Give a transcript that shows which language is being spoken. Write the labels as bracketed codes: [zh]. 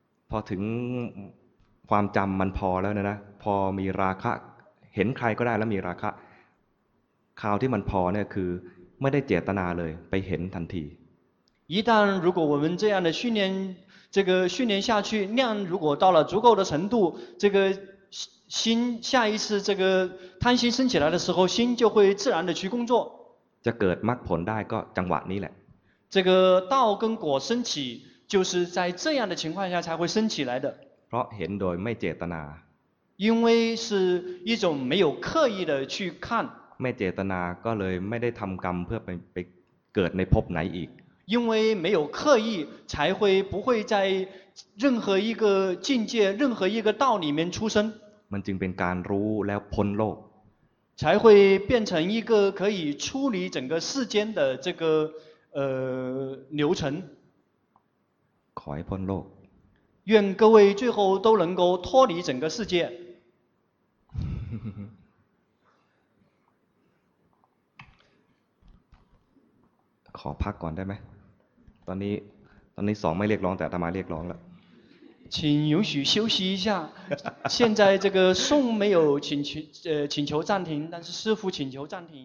[th] พอถึงความจำมันพอแล้วนะพอมีราคะเห็นใครก็ได้แล้วมีราคะคราวที่มันพอเนี่ยคือไม่ได้เจตนาเลยไปเห็นทันที [zh] 一旦如果我们这样的训练这个训练下去量如果到了足够的程度这个心下一次这个贪心升起来的时候心就会自然的去工作 [th] จะเกิดมรรคผลได้ก็จังหวะนี้แหละ [zh] 这个道跟果升起就是在这样的情况下才会升起来的 [th] เพราะเห็นโดยไม่เจตนา [zh] 因为是一种没有刻意的去看 [th] ไม่เจตนาก็เลยไม่ได้ทำกรรมเพื่อไปเกิดในภพไหนอีก [zh] 因为没有刻意才会不会在任何一个境界任何一个道里面出生 [th] มันจึงเป็นการรู้แล้วพ้นโลก [zh] 才会变成一个可以处理整个世间的这个流程 [th] ขอให้พ้นโลก [zh] 愿各位最后都能够脱离整个世界 [th] ขอพักก่อนได้ไหมตอนนี้สองไม่เรียกร้องแต่อาตมาเรียกร้องแล้ว [zh] 请允许休息一下现在这个宋没有请求暂停但是师父请求暂停